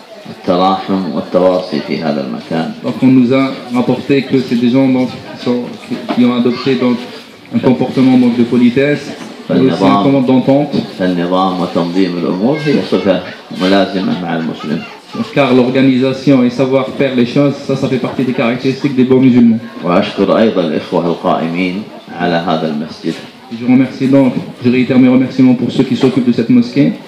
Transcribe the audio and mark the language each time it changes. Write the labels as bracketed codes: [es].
[ar] التراحم والتواصي في هذا المكان. [fr] Donc on nous a rapporté que c'est des gens donc qui ont adopté donc un comportement donc de politesse, aussi un comportement d'entente. [ar] النظام وتنظيم الأمور هي صفة ملازمة مع المسلم. [fr] Car l'organisation et savoir faire les choses, ça fait partie des caractéristiques des bons musulmans. [ar] وأشكر أيضا الإخوة القائمين على هذا المسجد. [fr] Je remercie donc, je réitère mes remerciements pour ceux qui s'occupent de cette mosquée.